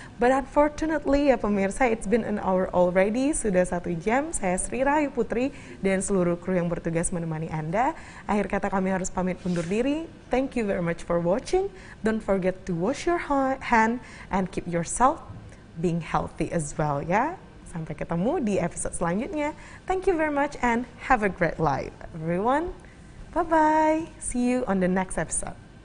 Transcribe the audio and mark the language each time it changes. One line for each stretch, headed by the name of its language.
English: But unfortunately,
Indonesian: ya pemirsa,
English: it's been an hour already.
Indonesian: Sudah 1 jam. Saya Sri Rahayu Putri dan seluruh kru yang bertugas menemani Anda. Akhir kata kami harus pamit undur diri.
English: Thank you very much for watching. Don't forget to wash your hand and keep yourself being healthy as well. Ya. Yeah?
Indonesian: Sampai ketemu di episode selanjutnya.
English: Thank you very much and have a great life, everyone. Bye-bye. See you on the next episode.